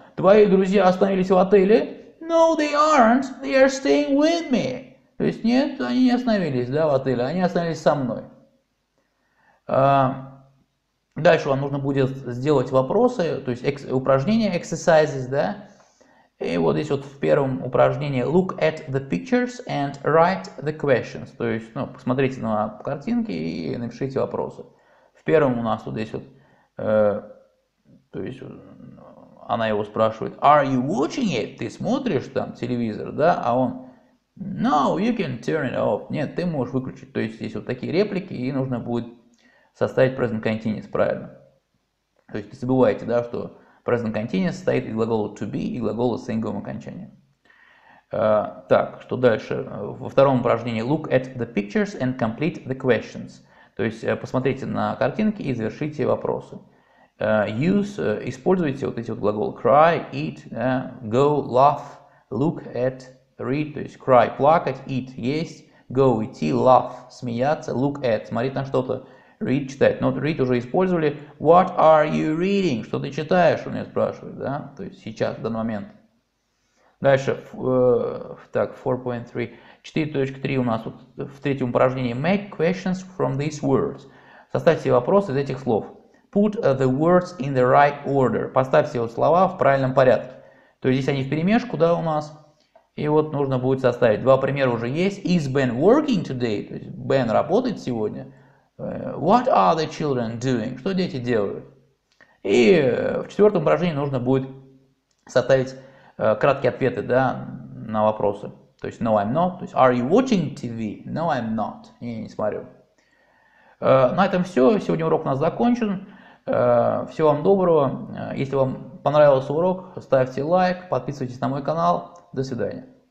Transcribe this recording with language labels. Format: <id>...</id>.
<ru>Твои друзья остановились в отеле?</ru> <en>No, they aren't. They are staying with me.</en> <ru>То есть нет, они не остановились, да, в отеле. Они остановились со мной. Дальше вам нужно будет сделать вопросы, то есть упражнения, exercises, да? И вот здесь вот в первом упражнении</ru> <en>look at the pictures and write the questions.</en> <ru>То есть, ну, посмотрите на картинки и напишите вопросы. В первом у нас вот здесь вот, то есть, она его спрашивает,</ru> <en>are you watching it?</en> <ru>Ты смотришь там телевизор, да? А он,</ru> <en>no, you can turn it off.</en> <ru>Нет, ты можешь выключить. То есть, здесь вот такие реплики, и нужно будет составить present continuous правильно. То есть, не забывайте, да, что present continuous состоит из глагола to be и глагола с инговым окончанием. Так, что дальше? Во втором упражнении</ru> <en>look at the pictures and complete the questions.</en> <ru>То есть посмотрите на картинки и завершите вопросы. Используйте вот эти вот глаголы cry, eat, go, laugh, look at, read. То есть cry – плакать, eat – есть, go – идти, laugh – смеяться, look at – смотреть на что-то, read – читать. Но read уже использовали.</ru> <en>What are you reading?</en> <ru>Что ты читаешь, у меня спрашивают, да? То есть сейчас, в данный момент. Дальше, так, 4.3. 4.3 у нас вот в третьем упражнении.</ru> <en>Make questions from these words.</en> <ru>Составьте себе вопросы из этих слов.</ru> <en>Put the words in the right order.</en> <ru>Поставь все вот слова в правильном порядке. То есть здесь они вперемешку, да, у нас. И вот нужно будет составить. Два примера уже есть.</ru> <en>Is Ben working today?</en> <ru>То есть Ben работает сегодня.</ru> <en>What are the children doing?</en> <ru>Что дети делают? И в четвертом упражнении нужно будет составить краткие ответы, да, на вопросы. То есть,</ru> <en>no, I'm not. То есть, are you watching TV? No, I'm not.</en> <ru>Я не смотрю. На этом все. Сегодня урок у нас закончен. Всего вам доброго. Если вам понравился урок, ставьте лайк, подписывайтесь на мой канал. До свидания.</ru>